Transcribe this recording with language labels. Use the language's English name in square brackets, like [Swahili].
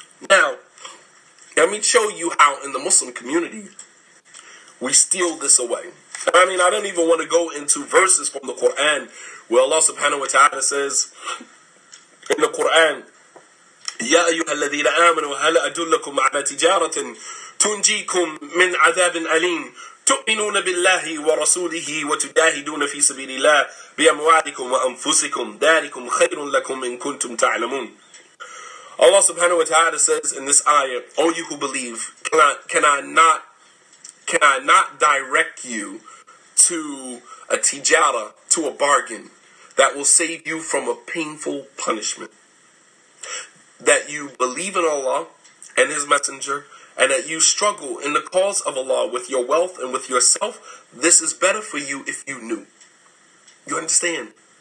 [English] Now, let me show you how in the Muslim community we steal this away. I mean, I don't even want to go into verses from the Quran where Allah subhanahu wa ta'ala says in the Quran, [Arabic] "Ya ayyuhalladhina amanu hal adullakum ala tijaratin tunjikum min adhabin aleem." تؤمنون بالله ورسوله وتجاهدون في سبيل الله بأموالكم وأنفسكم ذلكم خير لكم إن كنتم تعلمون. [English] Allah subhanahu wa ta'ala says in this ayah, "O you who believe, can I not direct you to a tijara, to a bargain that will save you from a painful punishment? That you believe in Allah and His Messenger, and that you struggle in the cause of Allah with your wealth and with yourself, this is better for you if you knew." You understand?